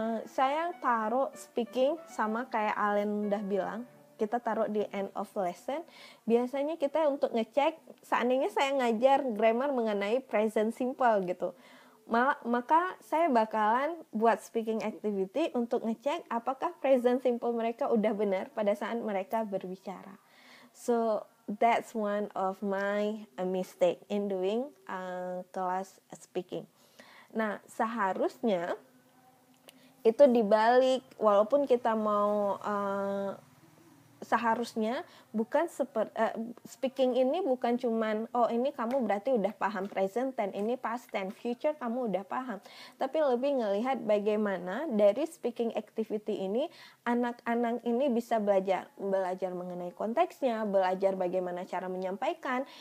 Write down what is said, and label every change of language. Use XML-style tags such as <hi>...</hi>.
<id>Saya taruh speaking sama kayak Alan udah bilang, kita taruh di</id> <en>end of lesson.</en> <id>Biasanya kita untuk ngecek, seandainya saya ngajar grammar mengenai present simple gitu, maka saya bakalan buat speaking activity untuk ngecek apakah present simple mereka udah benar pada saat mereka berbicara.</id> <en>So that's one of my mistake in doing class speaking.</en> <id>Nah, seharusnya itu dibalik, walaupun kita mau seharusnya bukan speaking ini bukan cuman oh ini kamu berarti udah paham present tense, ini past tense, future kamu udah paham, tapi lebih ngelihat bagaimana dari speaking activity ini anak-anak ini bisa belajar mengenai konteksnya, belajar bagaimana cara menyampaikan.</id>